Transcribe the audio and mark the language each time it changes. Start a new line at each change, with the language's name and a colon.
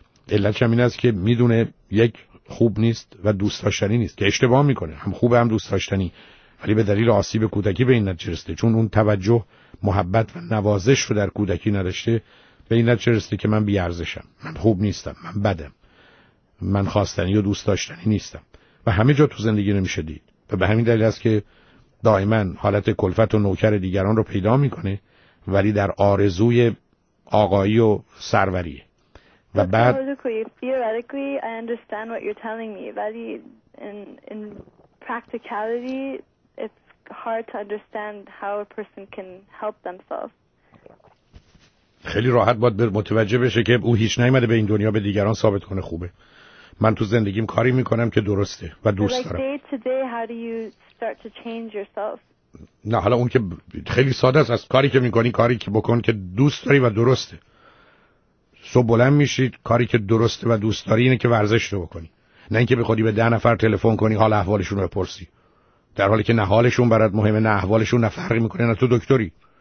Persian: علتش هم این است که میدونه یک خوب نیست و دوست داشتنی نیست، که اشتباه میکنه، هم خوب هم دوست داشتنی، ولی به دلیل آسیب کودکی به این نتیجه رسیده، چون اون توجه، محبت و نوازش رو در کودکی نداشته، به این نتیجه رسیده که من بی‌ارزشم، من خوب نیستم، من بدم، من خواستنی و دوست داشتنی نیستم و همه جا تو زندگی نمیشه دید. و به همین دلیل است که دائما حالت کلفت و نوکر دیگران رو پیدا میکنه، ولی در آرزوی آقایی و سروریه. و بعد
English: theoretically I understand what you're telling me, but in practicality it's hard to understand how a person can help themselves.
Persian: خیلی راحت باید متوجه بشه که او هیچ نیومده به این دنیا به دیگران ثابت کنه خوبه. من تو زندگیم کاری میکنم که درسته و دوست دارم.
English: Like day to day, how do you start to change yourself?
Persian: نه، حالا اون که خیلی ساده است، از کاری که میکنی کاری که بکن که دوست داری و درسته. صبح بلند میشید، کاری که درسته و دوست داری اینه که ورزش رو بکنی، نه اینکه به خودی به 10 نفر تلفن کنی حال احوالشون رو بپرسی، در حالی که نه حالشون برات مهمه نه احوالشون، نه فرقی میکنه، نه تو دکتری.